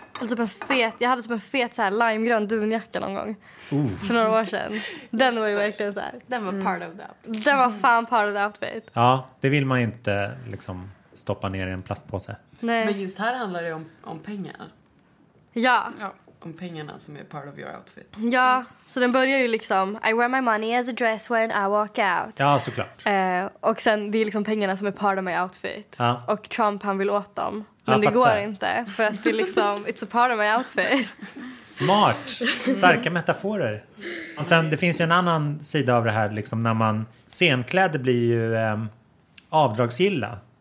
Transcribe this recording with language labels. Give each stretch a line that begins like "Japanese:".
Swedish: Eller typ en fet, jag hade typ en fet så här limegrön dunjacka någon gång. Oof. För några år sedan. Den var ju verkligen så här. Den var
English: part of the outfit.
Swedish: Den var fan
English: part of the outfit.
Swedish: Ja, det vill man ju inte liksom stoppa ner i en plastpåse. Nej. Men just här handlar det om pengar. Ja. Om pengarna som är
English: part of your outfit.
Swedish: Ja, så den börjar ju liksom,
English: I wear my money as a dress when I walk out.
Swedish: Ja, såklart. Och sen, det är liksom pengarna som är
English: part of my outfit.
Swedish: Ja. Och Trump, han vill åt dem. Men ja, det går inte, för att det är liksom,
English: it's a part of my outfit.
Swedish: Smart. Starka metaforer. Och sen, det finns ju en annan sida av det här, liksom när man, scenkläder blir ju avdragsgilla.